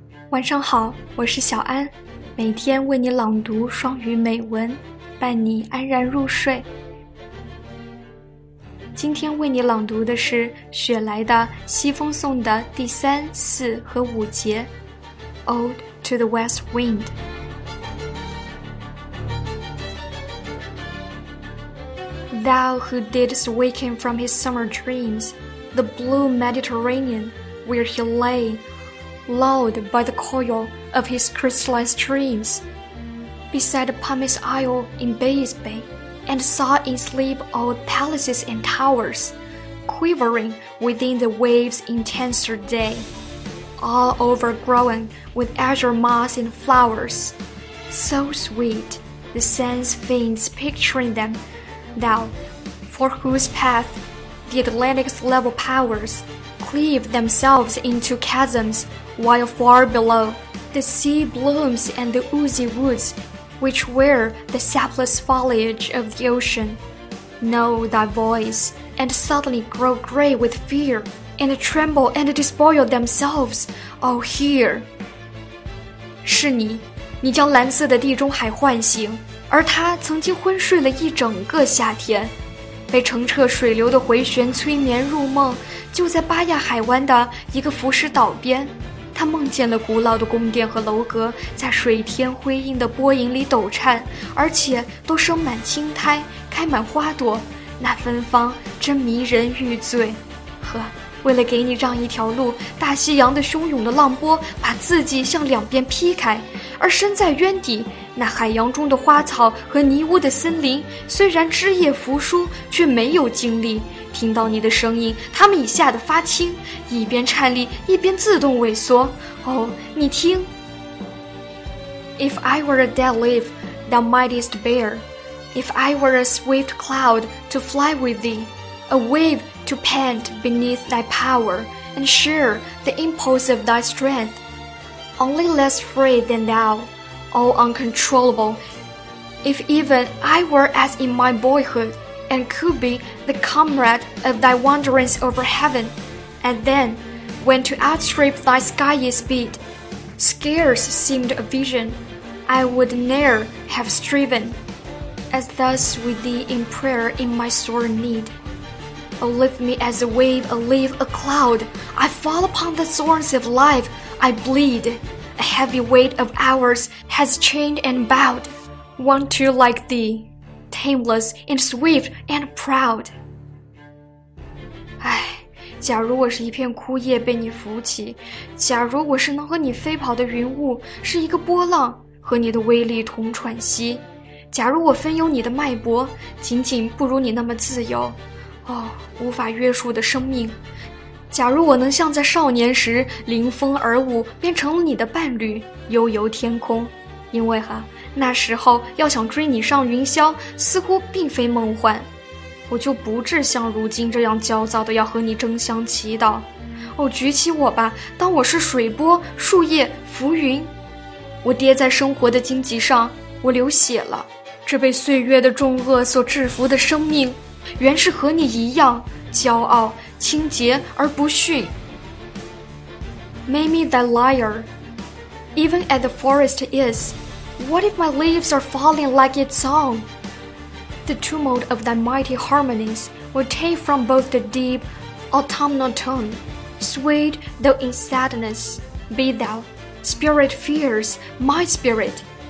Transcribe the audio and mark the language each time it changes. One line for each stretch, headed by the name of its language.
Chinese: 晚上好，我是小安，每天为你朗读双语美文，伴你安然入睡。今天为你朗读的是雪莱的《西风颂》的第三、四和五节 Ode to the West Wind。
English: Thou who didst wake him from his summer dreams, the blue Mediterranean where he layLulled by the coil of his crystallized dreams, beside a pumice isle in Bay's Bay, and saw in sleep old palaces and towers, quivering within the waves' intenser day, all overgrown with azure moss and flowers. So sweet, the sense faints picturing them, thou, for whose path the Atlantic's level powers cleave themselves into chasms. While far below, the sea blooms and the oozy woods, which wear the sapless foliage of the ocean, know thy voice, and suddenly grow gray with fear, and tremble and despoil themselves, oh, hear.
Chinese: 是你，你将蓝色的地中海唤醒，而它曾经昏睡了一整个夏天，被澄澈水流的回旋催眠入梦，就在巴亚海湾的一个浮石岛边。他梦见了古老的宫殿和楼阁在水天辉映的波影里抖颤，而且都生满青苔，开满花朵，那芬芳真迷人欲醉。呵，为了给你让一条路，大西洋的汹涌的浪波把自己向两边劈开，而身在渊底，那海洋中的花草和泥污的森林虽然枝叶扶疏，却没有经历听到你的声音，他们已吓得发青，一边颤栗，一边自动萎缩。哦，你听。
English: If I were a dead leaf thou mightest bear, If I were a swift cloud to fly with thee, A wave to pant beneath thy power And share the impulse of thy strength, Only less free than thou, all uncontrollable, If even I were as in my boyhoodAnd could be the comrade of thy wanderings over heaven, and then, when to outstrip thy skyey speed, scarce seemed a vision, I would ne'er have striven, as thus with thee in prayer in my sore need. O lift me as a wave, a leaf, a cloud, I fall upon the thorns of life, I bleed, a heavy weight of hours has chained and bowed, one too like thee. Tameless and swift and proud.
Chinese: 唉，假如我是一片枯叶被你扶起，假如我是能和你飞跑的云雾，是一个波浪和你的威力同喘息，假如我分有你的脉搏，仅仅不如你那么自由，哦，无法约束的生命，假如我能像在少年时临风而舞，变成了你的伴侣，悠游天空，因为哈，那时候要想追你上云霄，似乎并非梦幻，我就不至像如今这样焦躁地要和你争相祈祷。哦，举起我吧，当我是水波、树叶、浮云，我跌在生活的荆棘上，我流血了。这被岁月的重轭所制服的生命，原是和你一样骄傲、清洁而不逊。
English: Make me thy lyre, even as the forest is. What if my leaves are falling like its song? The tumult of thy mighty harmonies will take from both the deep autumnal tone. Sweet though in sadness, be thou, spirit fierce, my spirit.